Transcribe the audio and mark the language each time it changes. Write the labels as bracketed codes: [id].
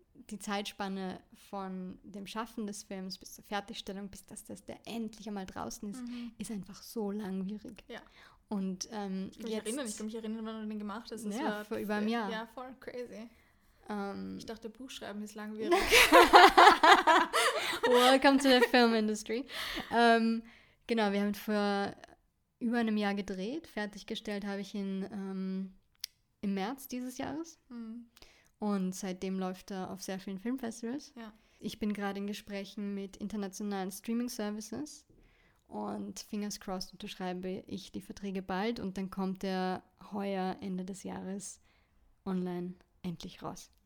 [de] Die Zeitspanne von dem Schaffen des Films bis zur Fertigstellung, bis dass das der endlich einmal draußen ist, ist einfach so langwierig. Ja. Und ich kann mich erinnern, wann du den gemacht hast. Ja, vor über einem Jahr. Ja, voll crazy. Ich dachte, Buchschreiben ist langwierig. [en] Welcome to the film industry. [de] Genau, wir haben vor über einem Jahr gedreht. Fertiggestellt habe ich ihn im März dieses Jahres. Und seitdem läuft er auf sehr vielen Filmfestivals. Ja. Ich bin gerade in Gesprächen mit internationalen Streaming-Services und [en] fingers crossed [de] unterschreibe ich die Verträge bald und dann kommt er heuer, Ende des Jahres, online endlich raus.